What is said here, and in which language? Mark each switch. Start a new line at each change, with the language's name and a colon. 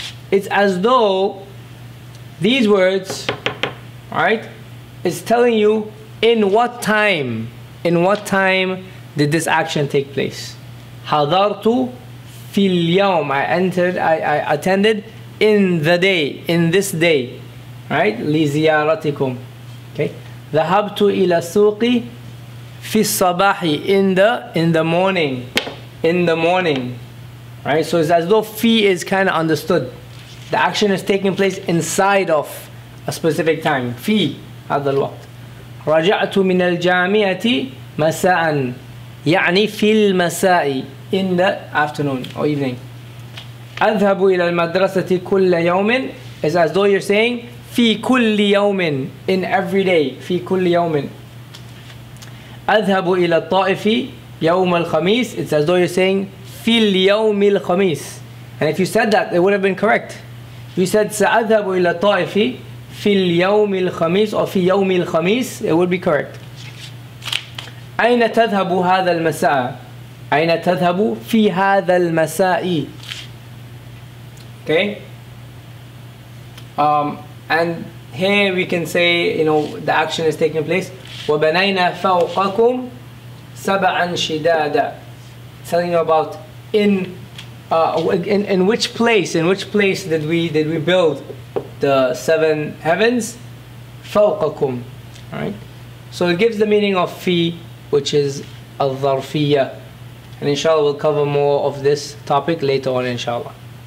English: It's as though these words, right, is telling you in what time did this action take place? Hadartu.
Arabic: في اليوم,
English: I attended in the day, in this day, right?
Arabic: لزيارتكم. Okay. ذهبت إلى السوق في الصباح,
English: in the morning, right? So it's as though في is kind of understood. The action is taking place inside of a specific time.
Arabic: في هذا الوقت. رجعت من الجامعة مساء, يعني في المساء.
English: In the afternoon or evening.
Arabic: أذهب إلى المدرسة كل يوم.
English: It's as though you're saying
Arabic: في كل يوم,
English: in every day.
Arabic: في كل يوم. أذهب إلى الطائف يوم الخميس.
English: It's as though you're saying
Arabic: في اليوم الخميس.
English: And if you said that, it would have been correct. You said
Arabic: سأذهب إلى الطائف في اليوم الخميس or في يوم الخميس,
English: it would be correct.
Arabic: أين تذهب هذا المساء؟ أين تذهب في هذا المساء؟ Okay.
English: And here we can say, you know, the action is taking place.
Arabic: وبنينا فوقكم سبعا شدادا.
English: Telling you about in which place did we build the seven heavens?
Arabic: فوقكم. All right.
English: So it gives the meaning of في, which is الظرفية. And inshallah, we'll cover more of this topic later on, inshallah.